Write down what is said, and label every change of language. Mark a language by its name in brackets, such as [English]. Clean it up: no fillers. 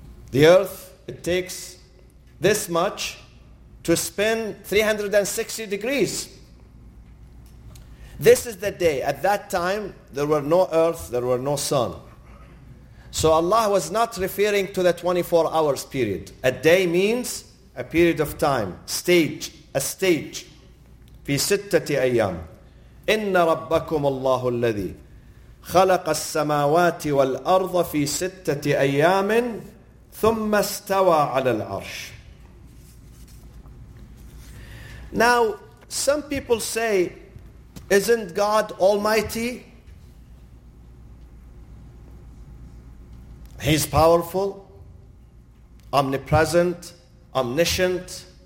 [English] The earth, it takes this much to spin 360 degrees. This is the day. At that time, there were no earth, there were no sun. So Allah was not referring to the 24 hours period. A day means a period of time, stage, a stage. [Arabic] في ستة أيام. إن ربكم الله الذي خلق السماوات والأرض في ستة أيام ثم استوى على العرش. [English] Now, some people say, isn't God Almighty? He's powerful, omnipresent, omniscient.